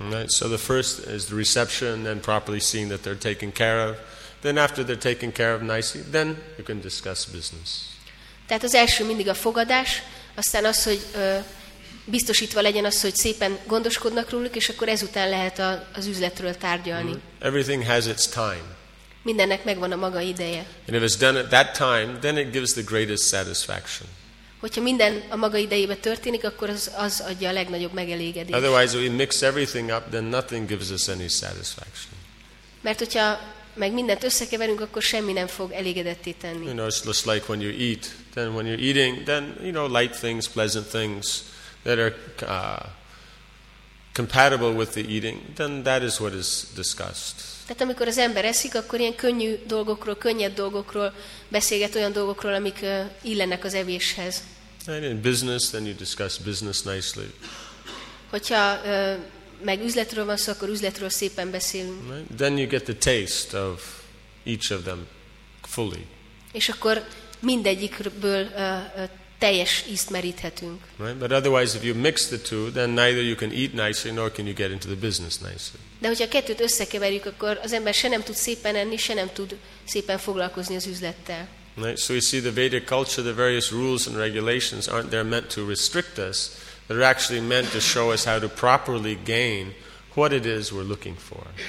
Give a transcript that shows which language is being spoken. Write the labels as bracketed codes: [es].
[en] Right, so the first is the reception, then properly seeing that they're taken care of. Then after they're taken care of nicely, then you can discuss business. [hu] Tehát az első mindig a fogadás, aztán az, hogy biztosítva legyen az, hogy szépen gondoskodnak róluk, és akkor ezután lehet az üzletről tárgyalni. [en] Everything has its time. [hu] Mindennek megvan a maga ideje. [en] And if it's done at that time, then it gives the greatest satisfaction. [hu] Hogyha minden a maga idejében történik, akkor az adja a legnagyobb megelégedést. [en] Otherwise, if we mix everything up, then nothing gives us any satisfaction. [hu] Mert hogyha meg mindent összekeverünk, akkor semmi nem fog elégedetté tenni. [en] You know, it's just like when you eat. Then when you're eating, then, you know, light things, pleasant things that are compatible with the eating, then that is what is discussed. [hu] Tehát amikor az ember eszik, akkor ilyen könnyű dolgokról, könnyed dolgokról beszélget, olyan dolgokról, amik illenek az evéshez. [en] And in business, then you discuss business nicely. [hu] Hogyha meg üzletről van szó, akkor üzletről szépen beszélünk. [en] Right? Then you get the taste of each of them fully. [hu] És akkor mindegyikből teljes ízt meríthetünk. [en] Right? But otherwise, if you mix the two, then neither you can eat nicely, nor can you get into the business nicely. [hu] De hogyha a kettőt összekeverjük, akkor az ember se nem tud szépen enni, se nem tud szépen foglalkozni az üzlettel. [en] Right? So you see, the Vedic culture, the various rules and regulations aren't there meant to restrict us, but are actually meant to show us how to properly gain what it is we're looking for.